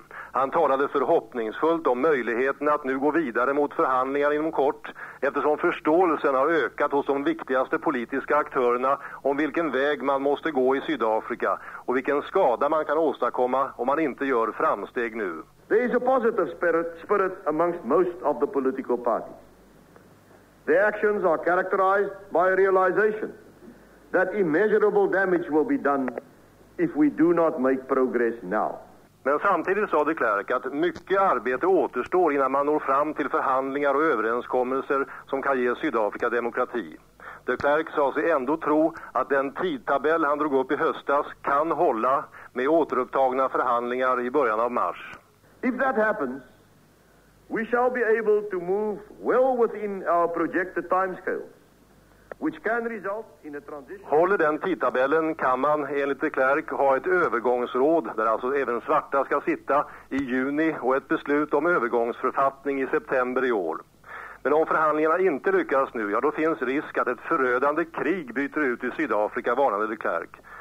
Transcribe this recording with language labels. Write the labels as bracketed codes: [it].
[sv] Han talade förhoppningsfullt om möjligheten att nu gå vidare mot förhandlingar inom kort, eftersom förståelsen har ökat hos de viktigaste politiska aktörerna om vilken väg man måste gå i Sydafrika och vilken skada man kan åstadkomma om man inte gör framsteg nu. [en] There is a positive spirit amongst most of the political parties. The actions are characterized by a realization that immeasurable damage will be done if we do not make progress now. [sv] Men samtidigt sa de Klerk att mycket arbete återstår innan man når fram till förhandlingar och överenskommelser som kan ge Sydafrika demokrati. De Klerk sa sig ändå tro att den tidtabell han drog upp i höstas kan hålla med återupptagna förhandlingar i början av mars. [en] If that happens, we shall be able to move well within our projected timescale. [sv] Håller den tidtabellen kan man, enligt de Klerk, ha ett övergångsråd där alltså även svarta ska sitta i juni och ett beslut om övergångsförfattning i september i år. Men om förhandlingarna inte lyckas nu, ja då finns risk att ett förödande krig byter ut i Sydafrika, varnade de Klerk.